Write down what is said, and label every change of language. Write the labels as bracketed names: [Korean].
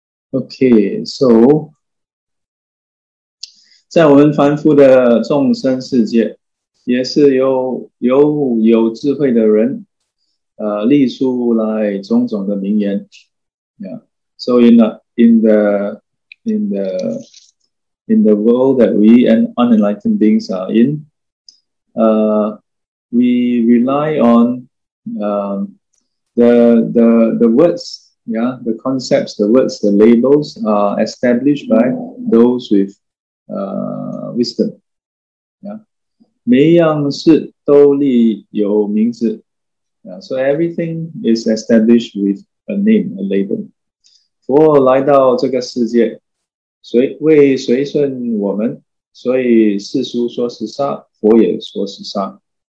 [Chinese] Okay, so 在我们凡夫的众生世界，也是由有智慧的人，立出来种种的名言. Yeah. [English] So in the world that we and unenlightened beings are in, we rely on the words. Yeah, the concepts, the words, the labels are established by those with wisdom. [Chinese] Yeah. 每样事都立有名字. [English] Yeah, so everything is established with a name, a label. [Chinese] 佛来到这个世界, 为随顺我们, 所以世俗说是沙, 佛也说是沙.